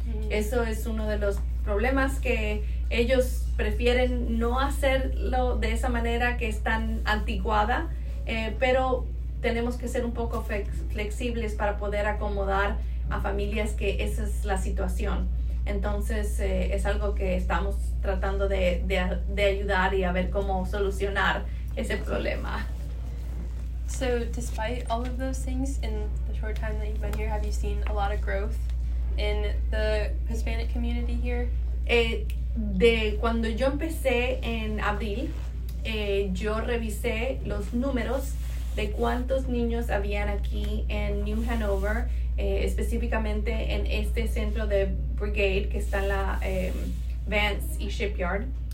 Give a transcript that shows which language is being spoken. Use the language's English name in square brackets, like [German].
[Spanish] Eso es uno de los problemas que ellos prefieren no hacerlo de esa manera que es tan anticuada, pero tenemos que ser un poco flexibles para poder acomodar a familias que esa es la situación. Entonces es algo que estamos tratando de ayudar y a ver cómo solucionar ese problema. [English] So despite all of those things, in the short time that you've been here, have you seen a lot of growth in the Hispanic community here? [Spanish] De cuando yo empecé en abril, yo revisé los números de cuántos niños habían aquí en New Hanover, específicamente en este centro de Brigade que está en la Vance y Shipyard.